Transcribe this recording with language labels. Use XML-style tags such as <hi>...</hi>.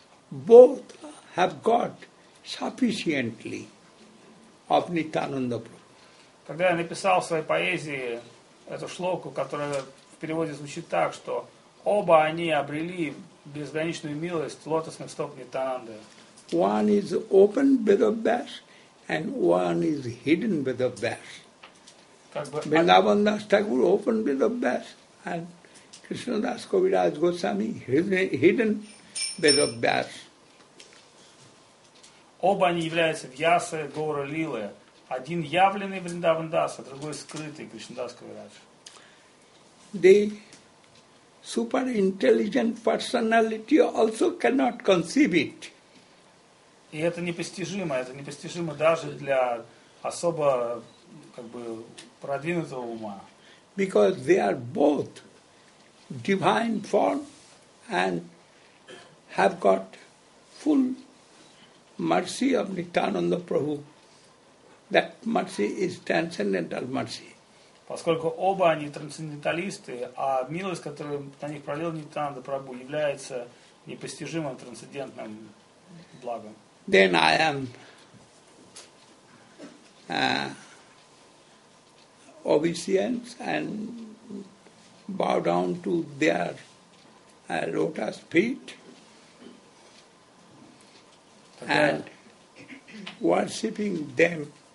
<en>both have got sufficiently of Nityananda Prabhu.</en> <ru>Когда я написал в своей поэзии эту шлоку, которая в переводе звучит так, что оба они обрели безграничную милость лотосных стоп Нитянанды.</ru> <en>One is open with a bash and one is hidden with a bash. Vrindavan Das Thakur open with a bash and Krishna Das Kaviraj Goswami hidden with a bash.</en> <ru>Оба они являются Вьяса, Гора, Лилы. Один явленный Вриндаван Дас, а другой скрытый Кришна Дас Кавирадж.</ru> <en>The super intelligent personality also cannot conceive it.</en> <ru>И это непостижимо даже для особо как бы продвинутого ума.</ru> <en>Because they are both divine form and have got full mercy of Nityananda Prabhu. That mercy is transcendental mercy.</en> <ru>Поскольку оба они трансценденталисты, а милость, которую на них пролил Нитянанда Прабху, является непостижимым трансцендентным благом.</ru> <en>Then I am obeisance and bow down to their lotus feet and worshipping them.</en>